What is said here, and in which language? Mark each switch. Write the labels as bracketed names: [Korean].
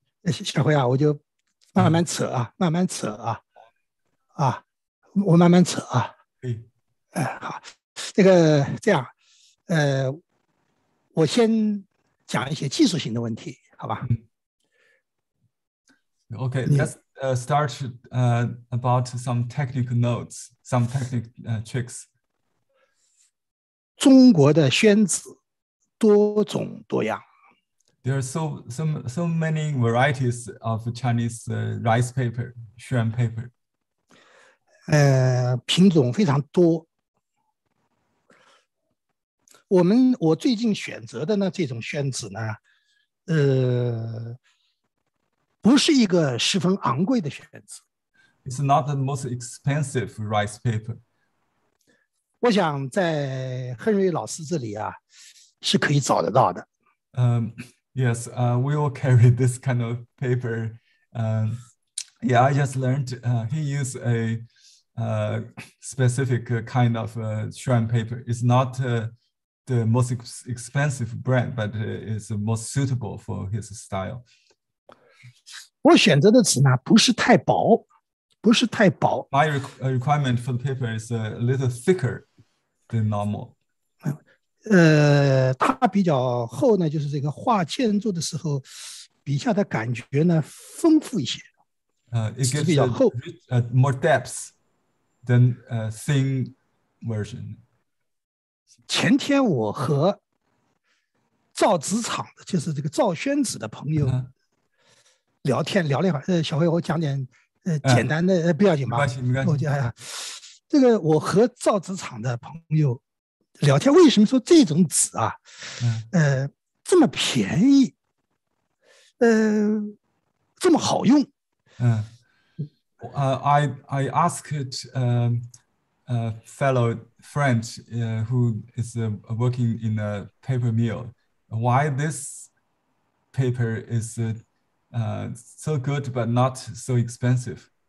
[Chinese] 下回啊，我就慢慢扯啊，慢慢扯啊，啊，我慢慢扯啊。哎，好，这个这样，我先讲一些技术性的问题，好吧？嗯。 [English] Okay, let's start about some technical notes, some technical tricks. [Chinese] 中国的宣纸多种多样。 [English] There are so many varieties of Chinese rice paper, xuan paper. [Chinese] 品种非常多。我最近选择的呢，这种宣纸呢，不是一个十分昂贵的宣纸。 [English] It's not the most expensive rice paper. [Chinese] 我想在亨瑞老师这里啊，是可以找得到的。 [English] Yes, we will carry this kind of paper. Yeah, I just learned he used a specific kind of xuan paper. It's not the most expensive brand, but it's the most suitable for his style. [Chinese] 我选择的纸呢，不是太薄，不是太薄。 [English] My requirement for the paper is a little thicker than normal. [Chinese] 它比较厚呢，就是这个画建筑的时候，笔下的感觉呢丰富一些。 [English] It gives [Chinese] 比较厚 [English] more depth than thin version. [Chinese] 前天我和造纸厂的，就是这个造宣纸的朋友聊天，聊了一会儿。小辉，我讲点简单的，不要紧吧？没关系，没关系。我讲这个，我和造纸厂的朋友聊天，为什么说这种纸啊，这么便宜，这么好用？ [English] I asked a fellow friend who is working in a paper mill why this paper is so good but not so expensive.